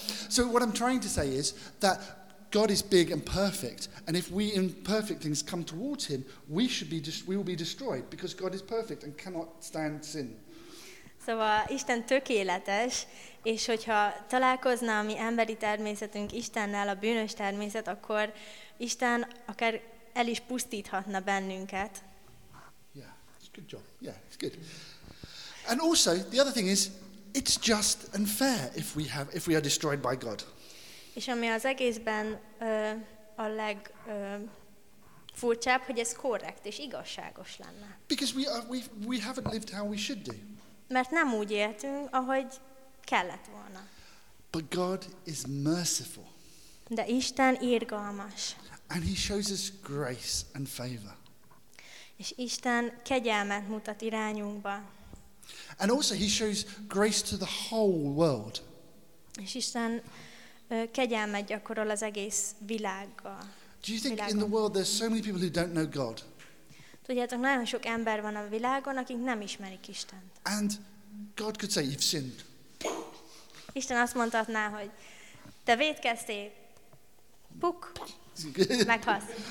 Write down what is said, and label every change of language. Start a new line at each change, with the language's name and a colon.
English: So what I'm trying to say is that God is big and perfect, and if we imperfect things come towards him, we will be destroyed because God is perfect and cannot stand sin.
Hungarian: Szóval Isten tökéletes, és hogyha találkozna a mi emberi természetünk Istennel, a bűnös természet, akkor Isten akár el is pusztíthatna bennünket.
English: Yeah, it's good job. Yeah, it's good. And also, the other thing is, it's just and fair if we are destroyed by God.
Hungarian: És ami az egészben a leg furcsább, hogy ez korrekt és igazságos lenne.
English: Because we haven't lived how we should do.
Hungarian: Mert nem úgy éltünk, ahogy kellett volna.
English: But God is merciful.
Hungarian: De Isten irgalmas.
English: And he shows us grace and favor.
Hungarian: És Isten kegyelmet mutat irányunkba.
English: And also he shows grace to the whole world.
Hungarian: És Isten kegyelmet gyakorol az egész világgal.
English: Do you think in the world there's so many people who don't know God?
Hungarian: Tudjátok, nagyon sok ember van a világon, akik nem ismerik Istent.
English: And God could say, you've sinned.
Hungarian: Isten azt mondhatná, hogy te vétkeztél, puk, meghalsz.